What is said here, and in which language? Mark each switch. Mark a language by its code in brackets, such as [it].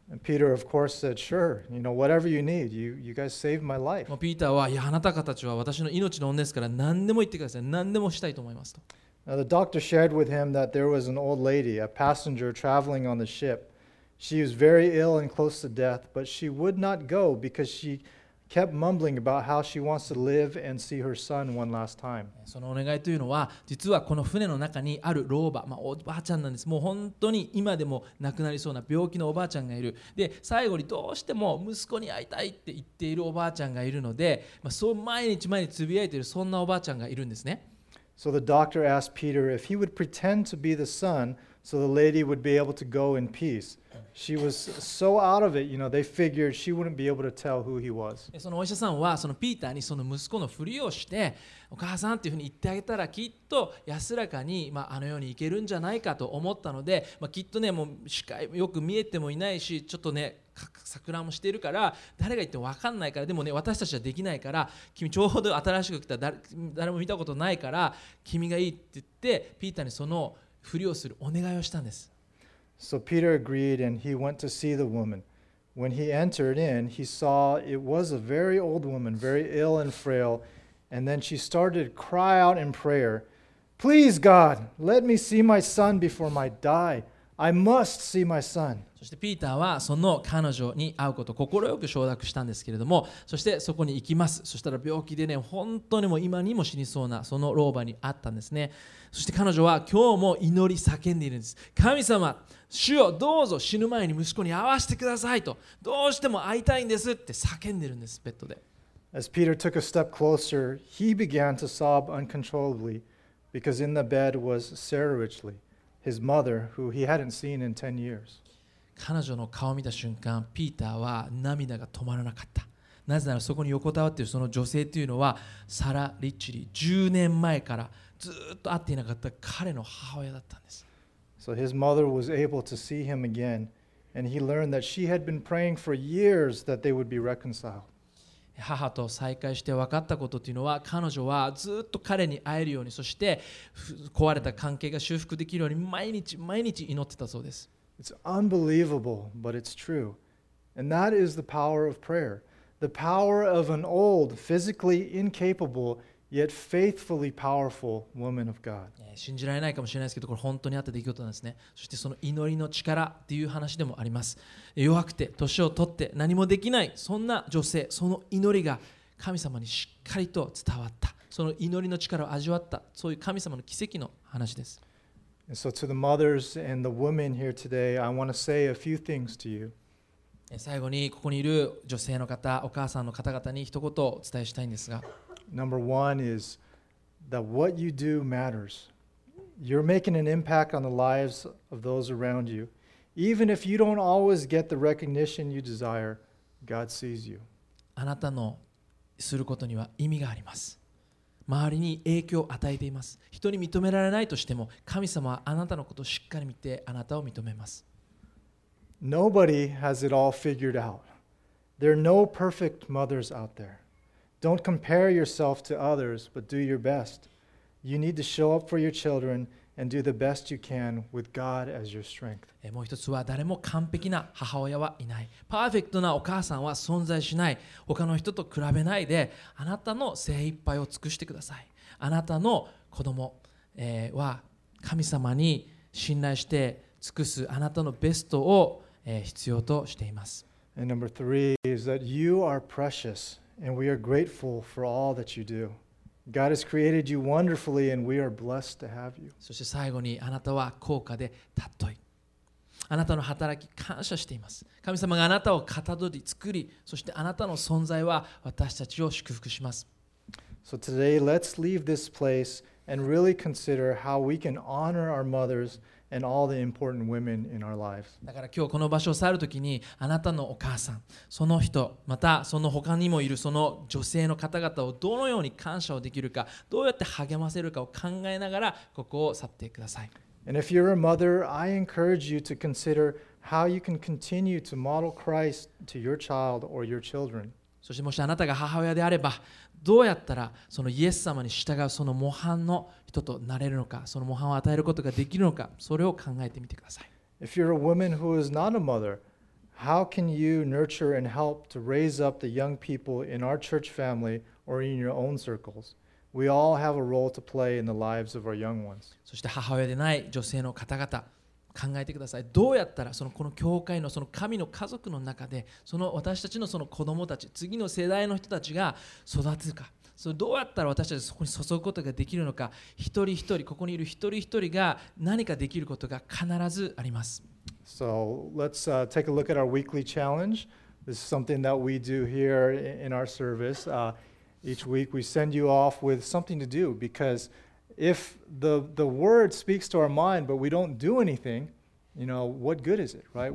[en] Peter of course said, sure, you know, whatever you need, you guys saved my life. [ja] ピーターは、いや、あなた方たちは私の命の恩ですから何でも言ってください。何でもしたいと思いますと。 [en] Now, the doctor shared with him that there was an old lady, a passenger traveling on the ship. She was very ill and close to death, but she would not go because she kept mumbling about how she wants to live and see her son one last time. [ja] そのお願いというのは、実はこの船の中にある老婆、まあ、おばあちゃんなんです。もう本当に今でも亡くなりそうな病気のおばあちゃんがいる。で、最後にどうしても息子に会いたいって言っているおばあちゃんがいるので、まあ、そう毎日毎日つぶやいているそんなおばあちゃんがいるんですね。 [en] So the doctor asked Peter if he would pretend to be the son so the lady would be able to go in peace. She was so out of it, you know, they figured she wouldn't be able to tell who he was. [ja] そのお医者さんはそのピーターにその息子のふりをしてお母さんっていうふうに言ってあげたらきっと安らかに、まあ、あの世に行けるんじゃないかと思ったので、まあ、きっとね、もう視界よく見えてもいないしちょっとね、錯乱もしているから誰が言っても分かんないから、でもね、私たちはできないから、君ちょうど新しく来た、誰も見たことないから君がいいって言ってピーターにそのふりをするお願いをしたんです。 [en] So Peter agreed and he went to see the woman. When he entered in, he saw it was a very old woman, very ill and frail. And then she started to cry out in prayer, Please God, let me see my son before I die. I must see my son. [ja] そしてピーターはその彼女に会うことを心よく承諾したんですけれども、そしてそこに行きます。そしたら病気でね、本当にもう今にも死にそうなその老婆に会ったんですね。そして彼女は今日も祈り叫んでいるんです。神様、主よ、どうぞ死ぬ前に息子に会わせてくださいと、どうしても会いたいんですって叫んでるんです、ベッドで。 [en] As Peter took a step closer, he began to sob uncontrollably because in the bed was Sarah Richley, his mother, who he hadn't seen in 10 years. [ja] 彼女の顔を見た瞬間、ピーターは涙が止まらなかった。なぜならそこに横たわっているその女性というのはサラ・リッチリー、10年前からずっと会っていなかった彼の母親だったんです。 [en] So his mother was able to see him again, and he learned that she had been praying for years that they would be reconciled. [ja] 母と再会して分かったことというのは、彼女はずっと彼に会えるように、そして壊れた関係が修復できるように毎日毎日祈ってたそうです。 [en] It's unbelievable, but it's true. And that is the power of prayer. The power of an old, physically incapable,Yet faithfully powerful woman of God. [ja] 信じられないかもしれないですけど、これ本当にあった出来事なんですね。そしてその祈りの力っていう話でもあります。弱くて年を取って何もできない、そんな女性、その祈りが神様にしっかりと伝わった。その祈りの力を味わった。そういう神様の奇跡の話です。 [en] And so to the mothers and the women here today, I want to say a few things to you. [ja] 最後にここにいる女性の方、お母さんの方々に一言お伝えしたいんですが、 [en] Number one is that what you do matters. You're making an impact on the lives of those around you. Even if you don't always get the recognition you desire, God sees you. [ja] あなたのすることには意味があります。周りに影響を与えています。人に認められないとしても、神様はあなたのことをしっかり見て、あなたを認めます。 [en] Nobody has it all figured out. There are no perfect mothers out there. Don't compare yourself to others, but do your best. You need to show up for your children and do the best you can with God as your strength. [ja] もう一つは、誰も完璧な母親はいない。パーフェクトなお母さんは存在しない。他の人と比べないで、あなたの精一杯を尽くしてください。あなたの子供は神様に信頼して尽くすあなたのベストを必要としています。 [en] And number three is that you are precious. And we are grateful for all that you do. God has created you wonderfully, and we are blessed to have you. [ja] そして最後に、あなたは高価で尊い。あなたの働き感謝しています。神様があなたをかたどり作り、そしてあなたの存在は私たちを祝福します。 [en] So today, let's leave this place and really consider how we can honor our mothers. And all the important women in our lives. [ja] だから今日この場所を去るときに、あなたのお母さん、その人、またその他にもいるその女性の方々をどのように感謝をできるか、どうやって励ませるかを考えながらここを去ってください。 [en] And if you're a mother, I encourage you to consider how you can continue to model Christ to your child or your children. [ja] そしてもしあなたが母親であれば、どうやったらそのイエス様に従うその模範の人となれるのか、その模範を与えることができるのか、それを考えてみてください。 [en] If you're a woman who is not a mother, how can you nurture and help to raise up the young people in our church family or in your own circles? We all have a role to play in the lives of our young ones. [ja] そして母親でない女性の方々、考えてください。どうやったらそのこの教会のその神の家族の中で、その私たちのその子供たち、次の世代の人たちが育つか、それどうやったら私たちそこに注ぐことができるのか、一人一人、ここにいる一人一人が何かできることが必ずあります。 [en] So let's take a look at our weekly challenge. This is something that we do here in our service. Each week we send you off with something to do because if the word speaks to our mind but we don't do anything, you know, what good is it, right?